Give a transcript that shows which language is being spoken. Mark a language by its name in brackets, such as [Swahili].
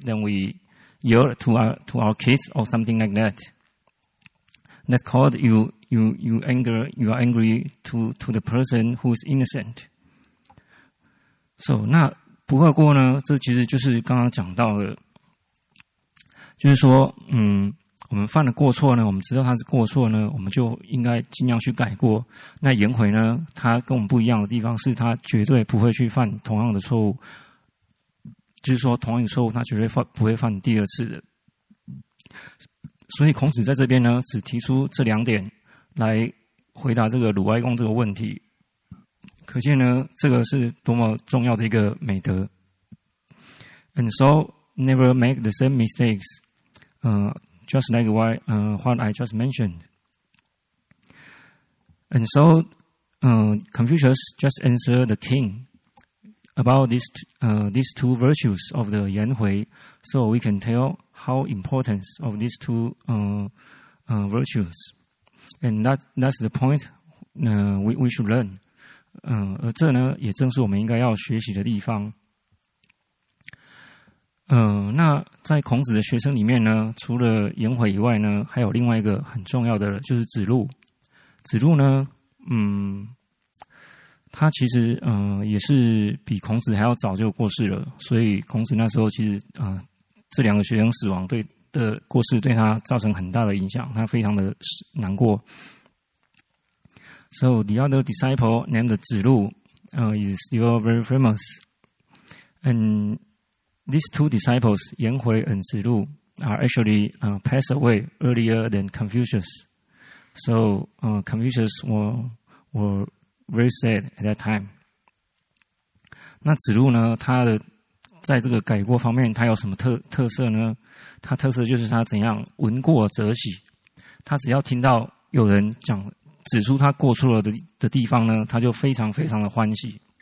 [English] Then we yell to our kids or something like that. That's called you are angry to the person who is innocent. [Chinese] So, 那不贰过呢？这其实就是刚刚讲到的，就是说，我们犯了过错呢，我们知道它是过错呢，我们就应该尽量去改过。那颜回呢，他跟我们不一样的地方是他绝对不会去犯同样的错误，就是说，同样的错误他绝对不会犯第二次的。所以孔子在这边呢，只提出这两点来回答这个鲁哀公这个问题。可见呢，这个是多么重要的一个美德。 [English] And so never make the same mistakes, just like what I just mentioned. And so, Confucius just answered the king about these two virtues of the Yan Hui. So we can tell how importance of these two virtues. And that's the point we should learn. [Chinese] 而这呢，也正是我们应该要学习的地方。那在孔子的学生里面呢，除了颜回以外呢，还有另外一个很重要的，就是子路。子路呢，他其实也是比孔子还要早就过世了，所以孔子那时候其实这两个学生死亡对的过世对他造成很大的影响，他非常的难过。 [English] So the other disciple named Zi Lu is still very famous. And these two disciples, Yan Hui and Zi Lu, are actually passed away earlier than Confucius. So Confucius were very sad at that time. [Chinese] 那子路呢，他的在这个改过方面，他有什么特色呢？他特色就是他怎样闻过则喜。他只要听到有人讲指出他过错了的地方呢，他就非常非常的欢喜。